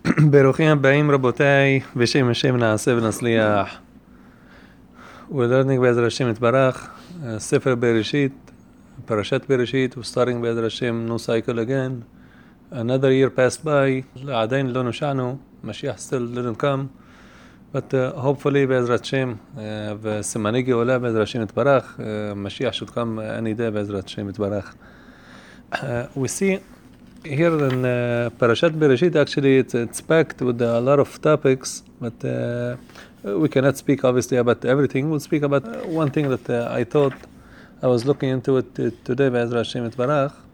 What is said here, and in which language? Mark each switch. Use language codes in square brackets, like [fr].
[he] ברוכים הבאים רבותיי, בשם השם נעשה ונצליח. [en] ולרנינג [he] בעזר השם יתברך, [en] ספר בראשית, פרשת בראשית, וסטארינג בעזר השם, נו סייקל אגן. Another year passed by, [he] עדיין לא נושענו, [en] משיח still didn't come. But hopefully בעזרת השם, [he] וסימני גאולה בעזר השם יתברך, [en] משיח should come any day [he] בעזרת השם יתברך. [en] We see here in Parashat Bereshit, actually it's packed with a lot of topics, but we cannot speak obviously about everything. We'll speak about one thing that I thought I was looking into it today by Ezra Hashem Itbarach.